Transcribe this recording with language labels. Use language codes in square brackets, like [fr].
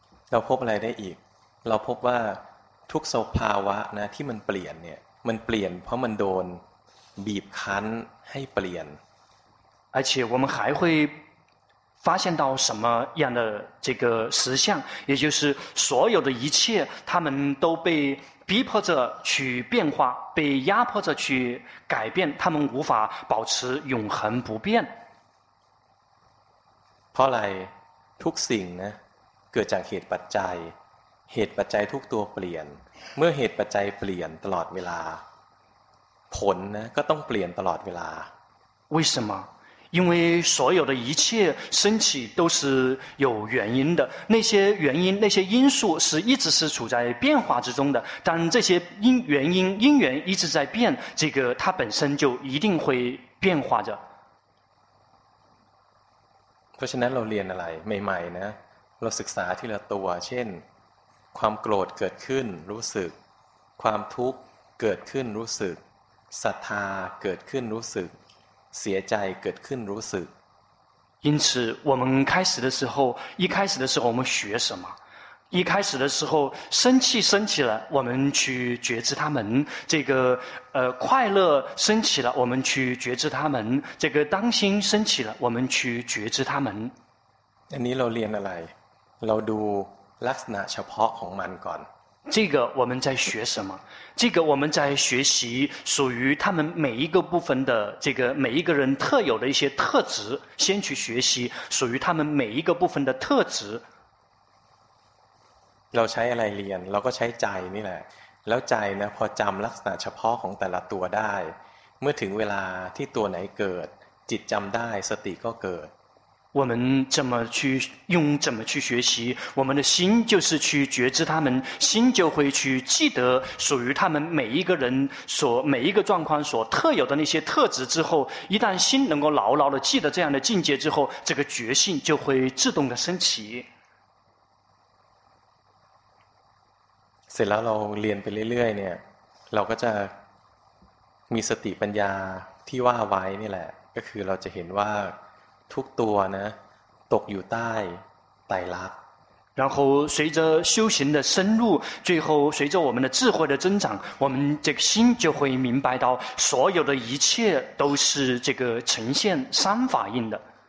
[th] เราพบอะไรได้อีกเราพบว่าทุกสภาวะนะที่มันเปลี่ยนเนี่ยมันเปลี่ยนเพราะมันโดนบีบคั้นให้เปลี่ยน [zh] 而且我们还会发现到什么样的这个实相也就是所有的一切他们都被逼迫着去变化被压迫着去改变他们无法保持永恒不变 [th] เพราะอะไรทุกสิ่งนะเกิดจากเหตุปัจจัยเหตุปัจจัยทุกตัวเปลี่ยนเมื่อเหตุปัจจัยเปลี่ยนตลอดเวลาผลนะก็ต้องเปลี่ยนตลอดเวลา [zh] 为什么因为所有的一切升起都是有原因的那些原因那些因素是一直是处在变化之中的但这些因原因因缘一直在变这个它本身就一定会变化着 [th] เพราะฉะนั้นเราเรียนอะไรใหม่ๆนะเราศึกษาทีละตัวเช่นความโกรธเกิดขึ้นรู้สึกความทุกข์เกิดขึ้นรู้สึกศรัทธาเกิดขึ้นรู้สึกเสียใจเกิดขึ้นรู้สึก [zh] 因此我们开始的时候一开始的时候我们学什么一开始的时候生气升起了我们去觉知他们这个快乐升起了我们去觉知他们这个当心升起了我们去觉知他们 [th] อันนี้เราเรียนอะไรเราดูลักษณะเฉพาะของมันก่อน [zh] 这个我们在学什么这个我们在学习属于他们每一个部分的这个每一个人特有的一些特质先去学习属于他们每一个部分的特质 [th] เราใช้อะไรเรียนเราก็ใช้ใจนี่แหละแล้วใจนะพอจำลักษณะเฉพาะของแต่ละตัวได้เมื่อถึงเวลาที่ตัวไหนเกิดจิตจำได้สติก็เกิด [zh] 我们怎么去用怎么去学习我们的心就是去觉知他们心就会去记得属于他们每一个人所每一个状况所特有的那些特质之后一旦心能够牢牢地记得这样的境界之后这个觉性就会自动地升起 [th] เสร็จแล้วเราเรียนไปเรื่อยๆเนี่ยเราก็จะมีสติปัญญาที่ว่าไว้นี่แหละก็คือเราจะเห็นว่าทุกตัวนะตกอยู่ใต้ไตรลักษณ์ [zh] 然后随着修行的深入最后随着我们的智慧的增长我们这个心就会明白到所有的一切都是这个呈现三法印的